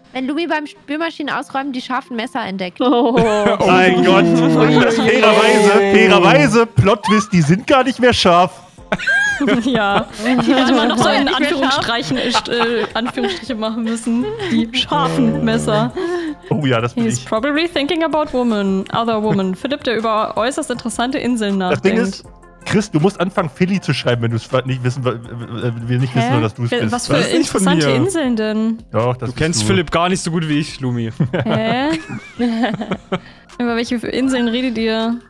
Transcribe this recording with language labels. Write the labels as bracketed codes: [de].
[de] Wenn Lumi beim Spülmaschinen ausräumen die scharfen Messer entdeckt. Oh mein Gott. Fairerweise, Plot-Twist, die sind gar nicht mehr scharf. Ja, die hätte man noch so in Anführungsstriche machen müssen. Die scharfen Messer. Oh ja, das bin [en] ich. He's probably thinking about woman, other woman. [de] Philipp, der über äußerst interessante Inseln nachdenkt. Das Ding ist, Chris, du musst anfangen, Philly zu schreiben, wenn du es nicht wissen, wir nicht wissen, dass du es bist. Was für interessante Inseln denn? Doch, das du kennst du. Philipp gar nicht so gut wie ich, Lumi. Hä? Über welche Inseln redet ihr?